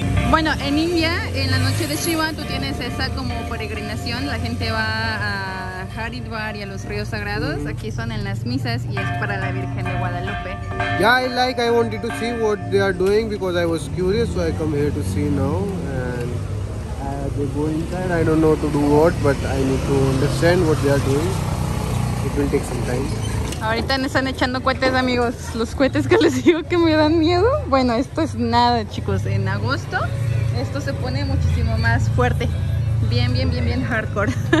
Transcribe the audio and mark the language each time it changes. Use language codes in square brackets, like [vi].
[es] Bueno, en India, en la noche de Shiva, tú tienes esa como peregrinación. La gente va a Haridwar y a los ríos sagrados. Aquí son en las misas y es para la Virgen de Guadalupe. [en] Yeah, I wanted to see what they are doing because I was curious, so I come here to see now. And they go inside. I don't know to do what, but I need to understand what they are doing. It will take some time. [es] Ahorita me están echando cohetes, amigos. Los cohetes que les digo que me dan miedo. Bueno, esto es nada, chicos. En agosto esto se pone muchísimo más fuerte. Bien, bien, bien, bien hardcore.